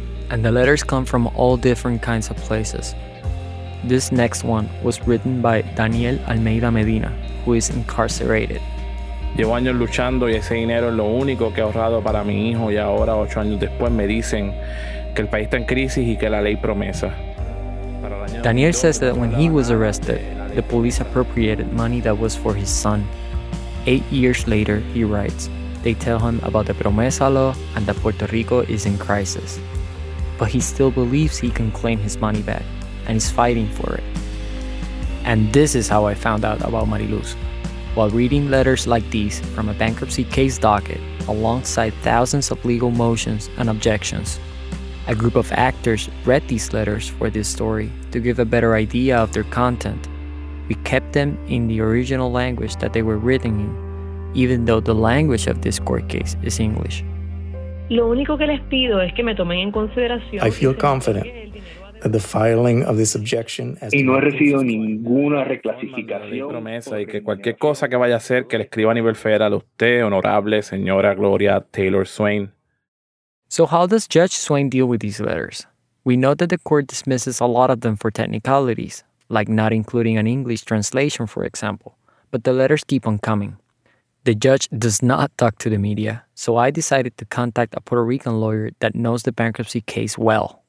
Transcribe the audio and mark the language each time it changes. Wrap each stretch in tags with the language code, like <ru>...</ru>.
<en>And the letters come from all different kinds of places. This next one was written by Daniel Almeida Medina, who is incarcerated.</en> <es>Llevo años luchando y ese dinero es lo único que he ahorrado para mi hijo y ahora, 8 años después, me dicen que el país está en crisis y que la ley promesa.</es> <en>Daniel says that when he was arrested, the police appropriated money that was for his son. 8 years later, he writes, they tell him about the promesa law and that Puerto Rico is in crisis. But he still believes he can claim his money back, and he's fighting for it. And this is how I found out about Mariluz. While reading letters like these from a bankruptcy case docket, alongside thousands of legal motions and objections, a group of actors read these letters for this story to give a better idea of their content. We kept them in the original language that they were written in, even though the language of this court case is English. I feel confident that the filing of this objection as</en> <es>y no he recibido ninguna reclasificación promesa y que cualquier cosa que vaya a hacer que le escriba a nivel federal a usted honorable señora Gloria Taylor Swain.</es> <en>So how does Judge Swain deal with these letters? We know that the court dismisses a lot of them for technicalities, like not including an English translation, for example, but the letters keep on coming. The judge does not talk to the media, so I decided to contact a Puerto Rican lawyer that knows the bankruptcy case well.</en>